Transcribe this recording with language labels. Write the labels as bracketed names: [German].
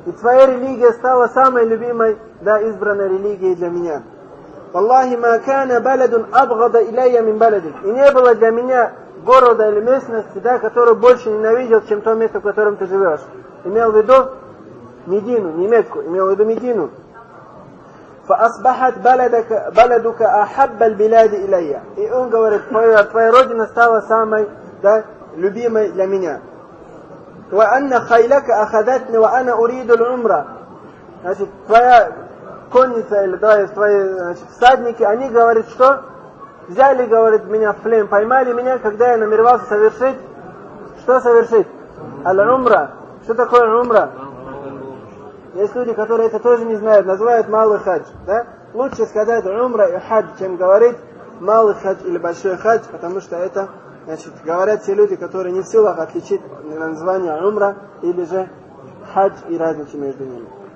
[Russian] И твоя религия стала самой любимой, да, избранной религией для меня. [Arabic] Валлахи, ма кана баладун абгада илайя мин баладин. [Russian] И не было для меня города или местности, да, которую больше ненавидел, чем то место, в котором ты живешь. Имел в виду Медину, не Мекку, имел в виду Медину. [Arabic] فأصبحت بلدك بلدك أحب البلاد إليّ. [Russian] И он говорит, твоя родина стала самой, да, любимой для меня. [Arabic] وأن خيلك أخذتني وأنا أريد العمرة. [Russian] Значит, твоя конница или, да, твои, значит, всадники, они говорят, что взяли, говорит, меня в плен, поймали меня, когда я намеревался совершить, что совершить? Аль-умра. Что такое аль-умра? Есть люди, которые это тоже не знают, называют малый хадж, да? Лучше сказать умра и хадж, чем говорить малый хадж или большой хадж, потому что это, значит, говорят все люди, которые не в силах отличить название умра или же хадж и разницу между ними.